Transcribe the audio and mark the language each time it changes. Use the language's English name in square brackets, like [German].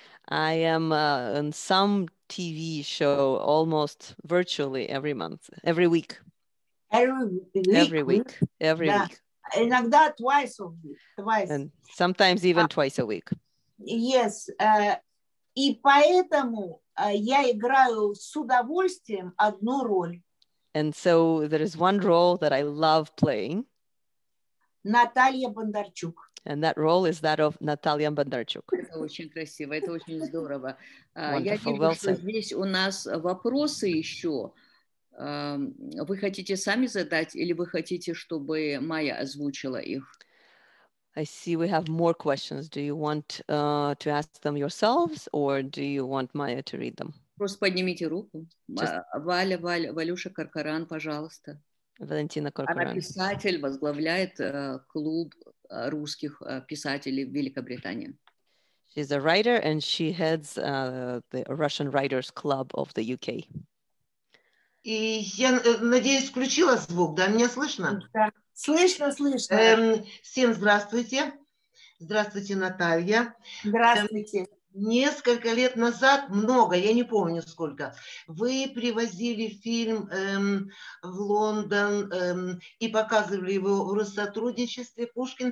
[English] I am on some TV show almost virtually every month, every week. Every week. [Russian] Иногда [English] twice a week. And sometimes even twice a week. Yes. [Russian] И поэтому я играю с удовольствием одну роль. [English] And so there is one role that I love playing. [Russian] Наталья Бондарчук. [English] And that role is that of Наталья Бондарчук. [Russian] Это очень красиво, это очень здорово. Я вижу, [English] well [Russian] что said. Здесь у нас вопросы еще. Вы хотите сами задать или вы хотите, чтобы Майя озвучила их? [English] I see we have more questions. Do you want to ask them yourselves or do you want Maya to read them? [Russian] Просто поднимите руку. Валя, Валюша Каркаран, пожалуйста. Валентина Каркаран. Она писатель, возглавляет клуб русских писателей в Великобритании. [English] She's a writer and she heads the Russian Writers Club of the UK. [Russian] И я надеюсь, включила звук, да? Меня слышно? Да. Слышно. Всем здравствуйте. Здравствуйте, Наталья. Здравствуйте. Несколько лет назад, много, я не помню сколько, вы привозили фильм в Лондон и показывали его в Россотрудничестве «Пушкин.